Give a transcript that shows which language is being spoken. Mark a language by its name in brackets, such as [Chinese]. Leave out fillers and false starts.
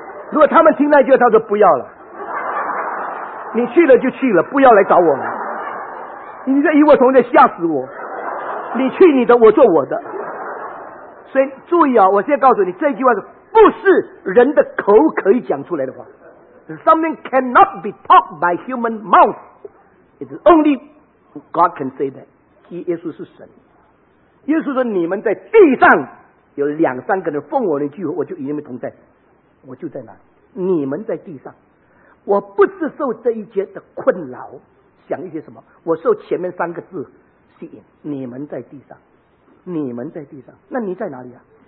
[Chinese] 如果他们听那句，他说不要了，你去了就去了，不要来找我了。你这与我同在吓死我，你去你的，我做我的。所以注意啊，我现在告诉你，这句话不是人的口可以讲出来的话。 [English] Something cannot be taught by human mouth， It's only God can say that。 [Chinese] 耶稣是神，耶稣说你们在地上有两三个人奉我的名，我就与你们同在，我就在那里，你们在地上。我不是受这一节的困扰想一些什么，我受前面三个字吸引，你们在地上，你们在地上，那你在哪里啊？